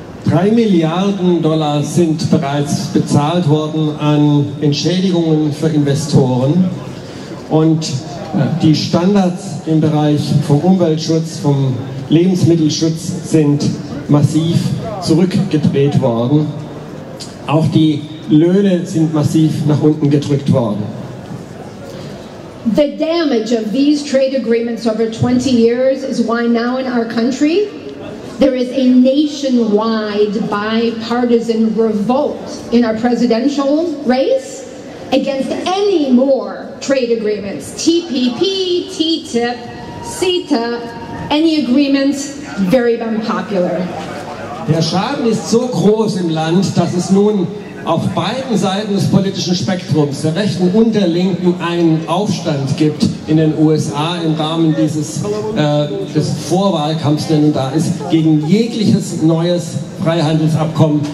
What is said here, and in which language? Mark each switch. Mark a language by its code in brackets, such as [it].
[de] 3 Milliarden Dollar sind bereits bezahlt worden an Entschädigungen für Investoren und die Standards im Bereich vom Umweltschutz, vom Lebensmittelschutz sind massiv zurückgedreht worden. Auch die Löhne sind massiv nach unten gedrückt worden. [en] The damage of these trade agreements over 20 years is why now in our country there is a nationwide bipartisan revolt in our presidential race against any more trade agreements, TPP, TTIP, CETA, any agreements, very unpopular. [de] Der Schaden ist so groß im Land, dass es nun auf beiden Seiten des politischen Spektrums, der Rechten und der Linken, einen Aufstand gibt in den USA im Rahmen dieses des Vorwahlkampfs, der nun da ist, gegen jegliches neues Freihandelsabkommen.